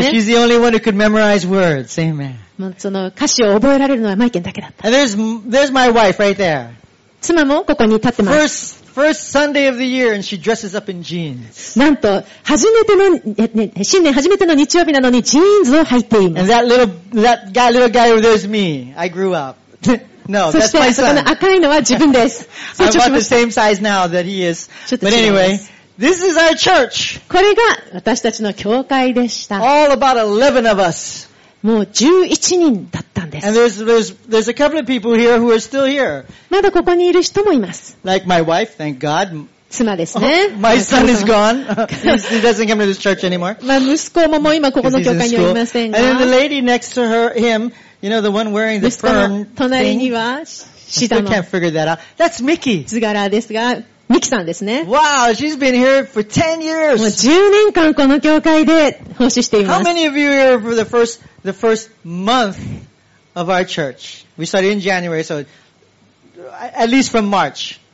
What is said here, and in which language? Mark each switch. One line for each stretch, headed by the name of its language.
English: Because she's the only one who could memorize words. Amen.
Japanese: もうその歌詞を覚えられるのはマイケンだけだった。
English: And there's my wife right there.
Japanese: 妻もここに立ってます。
English: First Sunday of the year and she dresses up in jeans.
Japanese: なんと、初めての、新年初めての日曜日なのにジーンズを履いています。
English: And that little guy over there is me. I grew up. No,
Japanese: そして
English: that's my son.
Japanese: その赤いのは自分です。
English: I'm about the same size now that he is. But anyway, this is our church.
Japanese: これが私たちの教会でした。
English: All about 11 of us.
Japanese: もう11人だったんです。
English: And there's a couple of people here who are still here.
Japanese: まだここにいる人もいます。
English: Like my wife, thank God.
Japanese: 妻ですね。
English: Oh, my son is gone. He doesn't come to this church anymore.
Japanese: まあ息子ももう今ここの教会にはいませんが。
English: And then the lady next to him. You know, the one wearing the firm thing?
Japanese: 隣には、シダの。
English: I still can't figure that out. That's Mickey!
Japanese: 図柄ですが、ミキさんですね。
English: Wow, she's been here for 10 years!
Japanese: もう10年間この教会で奉仕しています。
English: How many of you are here for the first month of our church? We started in January, so at least from March.